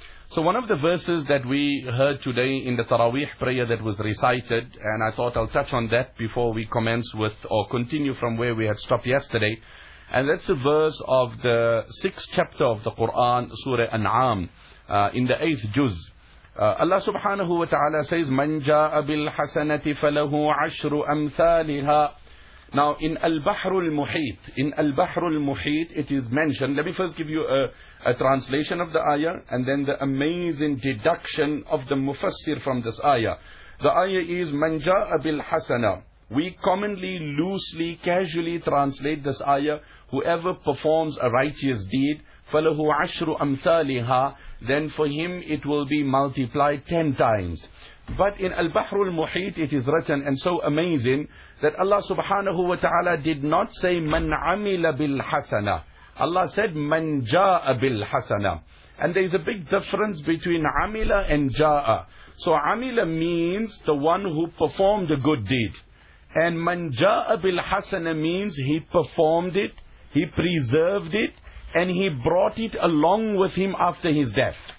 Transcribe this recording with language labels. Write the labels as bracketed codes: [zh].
[en] So one of the verses that we heard today in the Taraweeh prayer that was recited, and I thought I'll touch on that before we commence with or continue from where we had stopped yesterday. And that's a verse of the sixth chapter of the Quran, Surah An'am, in the eighth juz. Allah subhanahu wa ta'ala says, [ar] مَنْ جَاءَ بِالْحَسَنَةِ فَلَهُ عَشْرُ أَمْثَالِهَا. [en] Now, in Al-Bahrul Muheet, it is mentioned. Let me first give you a translation of the ayah, and then the amazing deduction of the mufassir from this ayah. The ayah is, [ar] مَنْ جَاءَ بِالْحَسَنَةِ. [en] We commonly, loosely, casually translate this ayah, whoever performs a righteous deed, [ar] فَلَهُ عَشْرُ أَمْثَالِهَا, [en] then for him it will be multiplied 10 times. But in Al-Bahrul Muheet it is written, and so amazing, that Allah subhanahu wa ta'ala did not say [ar] مَنْ عَمِلَ بِالْحَسَنَةِ. [en] Allah said [ar] مَنْ جَاءَ بِالْحَسَنَةِ. [en] And there is a big difference between عَمِلَ and جَاءَ. So عَمِلَ means the one who performed a good deed. And [ar] مَنْ جَاءَ بِالْحَسَنَةِ [en] means he performed it, he preserved it, and he brought it along with him after his death.